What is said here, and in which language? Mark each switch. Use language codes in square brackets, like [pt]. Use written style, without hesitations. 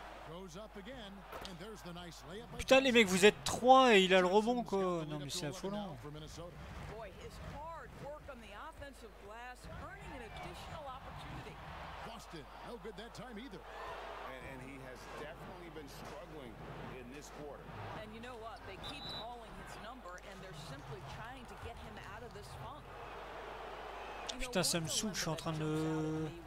[en] Goes up again, and there's the nice layup. [fr] Putain, les mecs, vous êtes 3 et il a le rebond, quoi. Non, mais c'est affolant. [en] Boy, his hard work on the offensive glass earning an additional opportunity. Boston, no good that time either. And he has definitely been struggling in this quarter. And you know what? They keep calling his number and they're simply trying to get him out of this funk. [fr] Putain, ça me saoule, je suis en train de...